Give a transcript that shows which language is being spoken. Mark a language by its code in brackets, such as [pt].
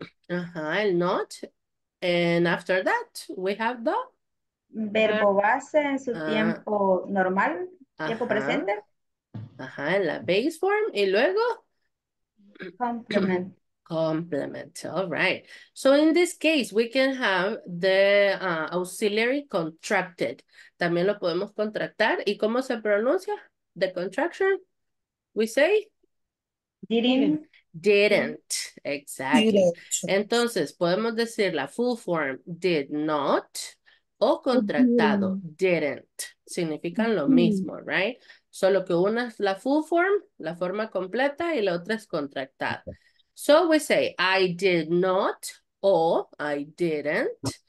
[en] ajá, el not, and after that, we have the [es] verbo base en su tiempo normal, ajá, tiempo presente, ajá, en la base form, y luego [en] complement. Complement, all right. So in this case, we can have the auxiliary contracted. [es] También lo podemos contractar. ¿Y cómo se pronuncia? [en] The contraction? We say? Didn't. [es] Exactly. Entonces, podemos decir la full form, did not, o contractado, didn't. Significan lo mismo, right? Solo que una es la full form, la forma completa, y la otra es contractada. [en] So we say, I did not, o I didn't.